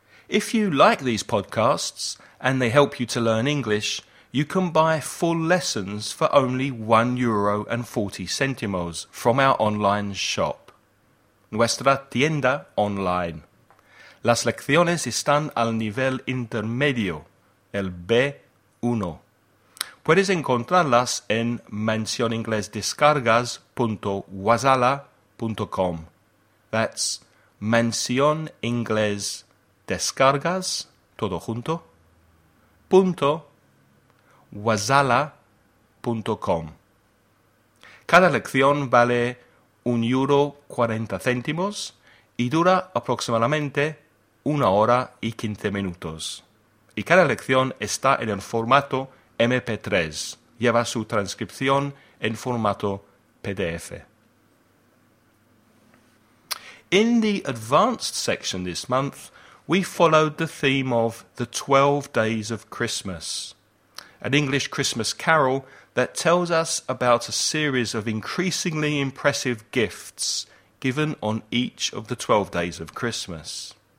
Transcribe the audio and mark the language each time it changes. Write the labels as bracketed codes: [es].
[en] If you like these podcasts and they help you to learn English, you can buy full lessons for only €1.40 from our online shop. [es] Nuestra tienda online. Las lecciones están al nivel intermedio, el B1. Puedes encontrarlas en mencioningles.descargas.wasala.com. [en] That's mencioningles.descargas, [es] todo junto, [en] .wasala.com. [es] Cada lección vale €1.40 y dura aproximadamente 1 hora y 15 minutos. Y cada lección está en el formato MP3. Lleva su transcripción en formato PDF. [en] In the advanced section this month, we followed the theme of the 12 days of Christmas, an English Christmas carol that tells us about a series of increasingly impressive gifts given on each of the 12 days of Christmas.